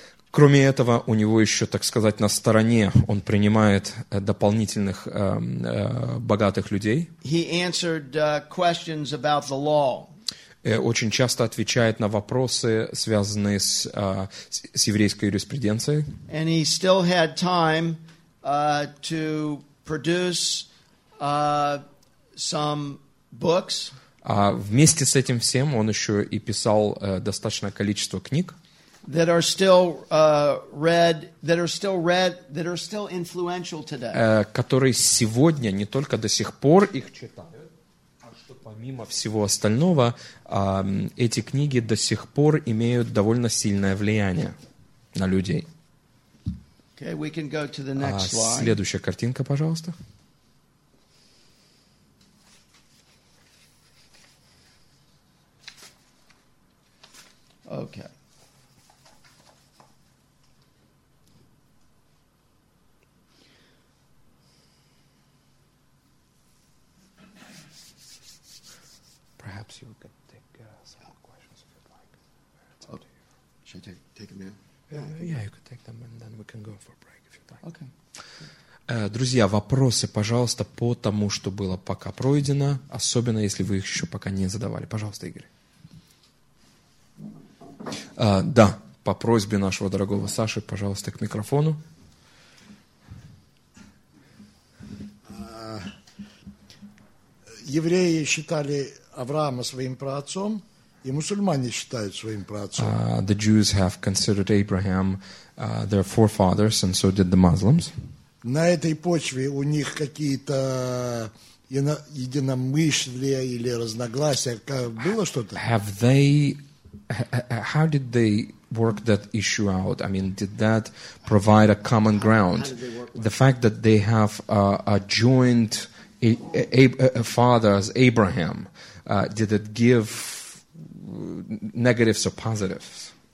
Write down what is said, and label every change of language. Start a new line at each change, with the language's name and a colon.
Russian: Кроме этого, у него еще, так сказать, на стороне он принимает дополнительных богатых людей.
English: He answered questions about the law.
Russian: Очень часто отвечает на вопросы, связанные с еврейской юриспруденцией.
English: And he still had time to produce some books.
Russian: А вместе с этим всем он еще и писал достаточное количество книг.
English: That are still read, that are still read, that are still influential today.
Russian: Которые сегодня не только до сих пор их читают, а что помимо всего остального, эти книги до сих пор имеют довольно сильное влияние на людей.
English: Okay, we can go to the next slide.
Russian: Следующая картинка, пожалуйста.
English: Okay. Perhaps you could take some questions if you'd like. Should I take them in? Yeah, you could take them and then we can go for a break if you'd like. Okay.
Russian: Друзья, вопросы, пожалуйста, по тому, что было пока пройдено, особенно если вы их еще пока не задавали. Пожалуйста, Игорь. Да, по просьбе нашего дорогого Саши, пожалуйста, к микрофону. Евреи считали Авраама своим праотцом, и мусульмане считают своим праотцом.
English: The Jews have considered Abraham their forefathers, and so did the Muslims.
Russian: На этой почве у них какие-то единомышления или разногласия, как было что-то?
English: Have they, how did they work that issue out? I mean, did that provide a common ground? The fact that they have a joint fathers, Abraham, did it give negatives or positives?